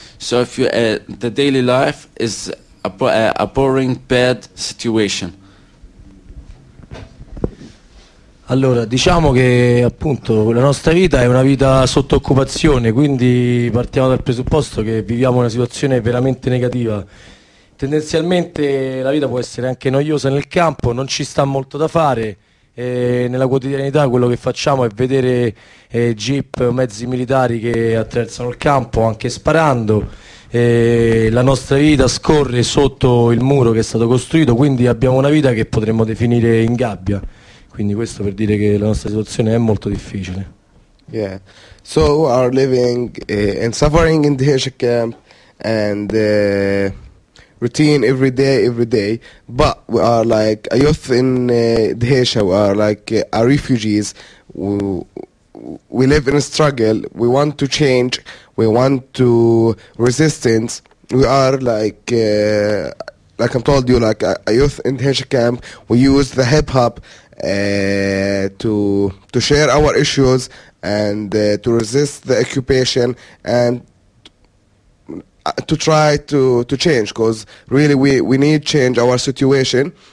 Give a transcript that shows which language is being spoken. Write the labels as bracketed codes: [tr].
[en] So if you the daily life is a boring bad situation. [it] Allora, diciamo che appunto la nostra vita è una vita sotto occupazione, quindi partiamo dal presupposto che viviamo una situazione veramente negativa. Tendenzialmente la vita può essere anche noiosa nel campo, non ci sta molto da fare. Nella quotidianità quello che facciamo è vedere jeep, mezzi militari che attraversano il campo anche sparando. La nostra vita scorre sotto il muro che è stato costruito, quindi abbiamo una vita che potremmo definire in gabbia. Quindi questo per dire che la nostra situazione è molto difficile. [en] Yeah, so we are living and suffering in the Isha camp and routine every day, but we are like a youth in Dehesha, we are like a refugees, we live in a struggle, we want to change, we want to resistance, we are like I'm told you, like a youth in Dehesha camp, we use the hip-hop to share our issues and to resist the occupation and to try to change, because really we need change our situation.